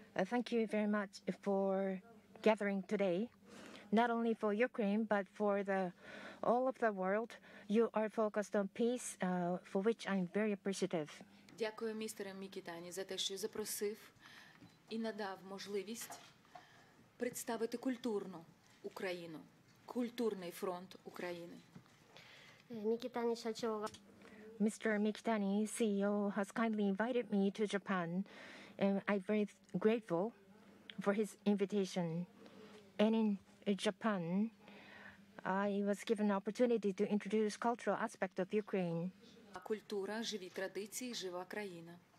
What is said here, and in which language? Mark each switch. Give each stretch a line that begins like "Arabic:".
English: Thank you very much for gathering today, not only for Ukraine, but for all of the world. You are focused on peace, for which I'm very appreciative.
Ukrainian: Дякую, містере Мікітані, за те, що запросив і надав можливість представити культурну Україну, культурний фронт України.
English: Mr. Mikitani, CEO, has kindly invited me to Japan, and I'm very grateful for his invitation. And in Japan, I was given an opportunity to introduce cultural aspect of Ukraine.
Ukrainian: Культура, живі традиції, жива країна.